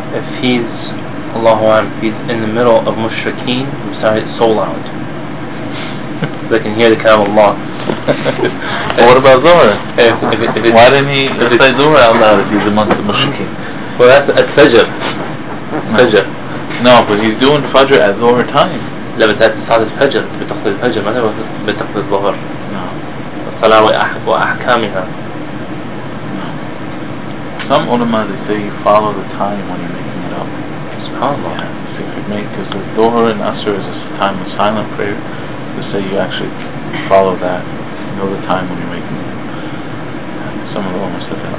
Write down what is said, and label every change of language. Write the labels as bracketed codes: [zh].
[en] If he's, Allahu A'lam, if he's in the middle of Mushrikeen, he recites so loud. They can hear the Kalam of Allah. Well, what about Dhuhr? Why didn't he recite Dhuhr out loud if he's amongst the Mushrikeen? Well, that's at Fajr. No. Fajr. No, but he's doing Fajr at Dhuhr time. No, but that's Salat Fajr. [ar] بتقضي الفجر, ما هو بتقضي الظهر. [en] No. [ar] الصلاة وأحكامها. [en] Some ulama they say you follow the time when you're making it up. SubhanAllah. Yeah, so if you make, because the Dhuhr and Asr is a time of silent prayer, they say you actually follow that, you know the time when you're making it up. Some of the ulama said that.